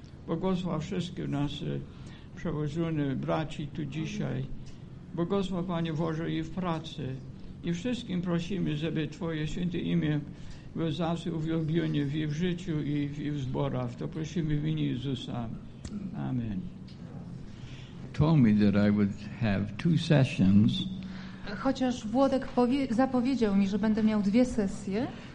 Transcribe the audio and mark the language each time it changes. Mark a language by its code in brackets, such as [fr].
[pl] Błogosław wszystkich naszych przełożonych braci tu dzisiaj. Błogosław, Panie Boże, i w pracy. I wszystkim prosimy, żeby Twoje święte imię było zawsze uwielbione i w życiu, i w zborach. To prosimy w imię Jezusa. Amen. [en] Told me that I would have two sessions. [pl] Chociaż Włodek zapowiedział mi, że będę miał dwie sesje.